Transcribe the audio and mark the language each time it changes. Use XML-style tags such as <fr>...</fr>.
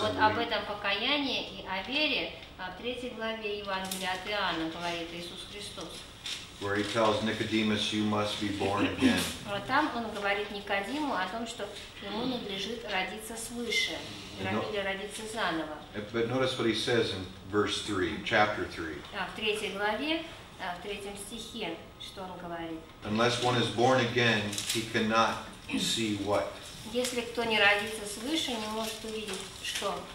<ru>Вот об этом покаянии и о вере в 3 главе Евангелия от Иоанна говорит Иисус Христос.</ru> <en>Where he tells Nicodemus, you must be born again.</en> <ru>Вот там он говорит Никодиму о том, что ему надлежит родиться свыше, или родиться заново.</ru> <en>But notice what he says in verse 3, chapter 3.</en> <ru>В 3 главе, в 3 стихе, что он говорит.</ru> <en>Unless one is born again, he cannot see what?</en> <ru>Если кто не родится свыше, не может увидеть что?</ru>